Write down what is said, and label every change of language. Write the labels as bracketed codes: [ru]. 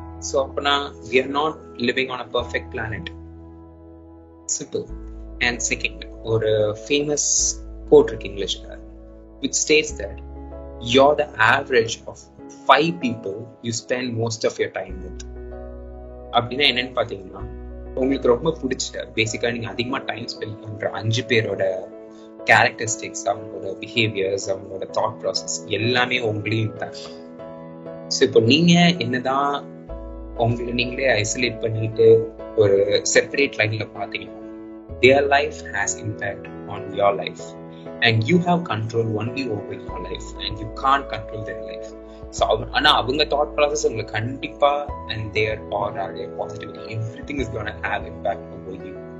[en] So we are not living on a perfect planet. Simple. And second, or a famous quote in English, which states that you're the average of five people you spend most of your time with. [ta] உங்களுக்கு ரொம்ப பிடிச்ச பேசிக்காக நீங்கள் அதிகமாக time spend பண்ணுற அஞ்சு பேரோட characteristics, அவங்களோட பிஹேவியர்ஸ், அவங்களோட தாட் ப்ராசஸ் எல்லாமே உங்களையும் தான். ஸோ இப்போ நீங்கள் என்ன தான் உங்களை நீங்களே ஐசோலேட் பண்ணிட்டு ஒரு செப்பரேட் லைனில் பார்த்தீங்கன்னா, [en] Their life has impact on your life and you have control only over your life and you can't control their life. So, [ta] avanga [en] thought process [ta] ungalukku kandippa [en] and their aura, their positivity, everything is going to have impact over you.